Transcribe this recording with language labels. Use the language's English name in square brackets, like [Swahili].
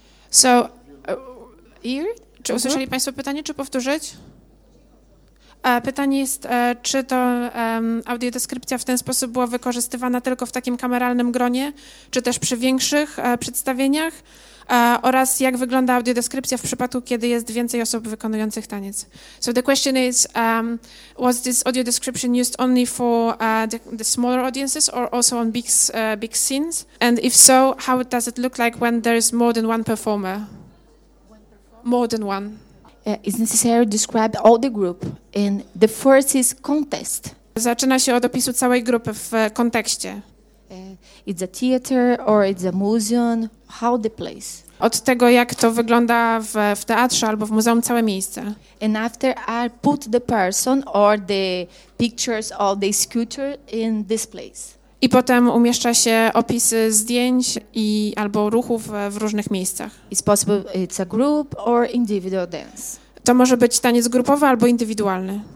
[Polish] So, czy usłyszeli Państwo pytanie, czy powtórzyć? Pytanie jest, czy to audiodeskrypcja w ten sposób była wykorzystywana tylko w takim kameralnym gronie, czy też przy większych przedstawieniach? Oraz jak wygląda audiodeskrypcja w przypadku, kiedy jest więcej osób wykonujących taniec? [English] So the question is, was this audio description used only for the smaller audiences or also on big scenes? And if so, how does it look like when there is more than one performer? More than one. It's necessary to describe all the group in the first is context. [Polish] Zaczyna się od opisu całej grupy w kontekście. [English] It's a theater or it's a museum, how the place. [Polish] Od tego, jak to wygląda w teatrze albo w muzeum, całe miejsce. [English] And after I put the person or the pictures or the sculpture in this place. [Polish] I potem umieszcza się opisy zdjęć i albo ruchów w różnych miejscach. [English] It's possible it's a group or individual dance. [Polish] To może być taniec grupowy albo indywidualny.